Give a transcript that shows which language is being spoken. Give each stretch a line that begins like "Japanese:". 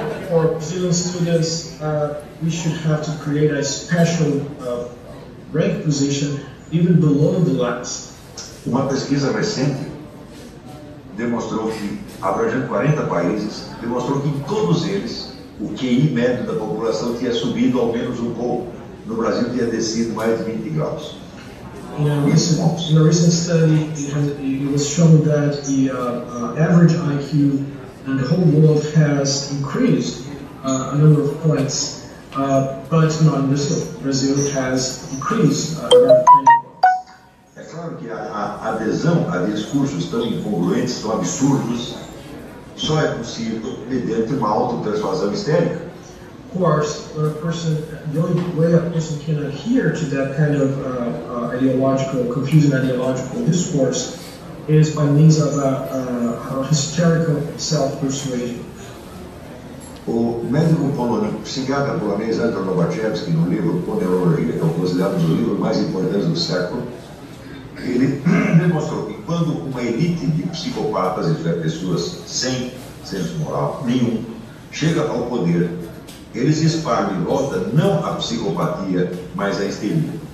English: For Brazilian students, we should have to create a special rank position even below the last.
Portuguese: Uma pesquisa recente demonstrou que, abrangendo 40 países, demonstrou que em todos eles o QI médio da população tinha subido ao menos um pouco. No Brasil tinha descido mais de 20 graus.
English: In a recent study, it was shown that the average IQ in the whole world has increased a number of points, but not in Brazil. Brazil has increased
Portuguese: É claro que a adesão a discursos tão incongruentes, tão absurdos, só é possível mediante uma auto-persuasão histérica.
English: Of course, when a person, the only way a person can adhere to that kind of confusing ideological discourse is by means of a hysterical self-persuasion.
Portuguese: O médico polonês, psiquiatra polonês Anton Lobachevsky, no livro Poneurologia, que é considerado um dos livros mais importantes do século, ele demonstrou que quando uma elite de psicopatas, isto é, pessoas sem senso moral nenhum, chega ao poder, eles espalham em volta não a psicopatia, mas a histeria.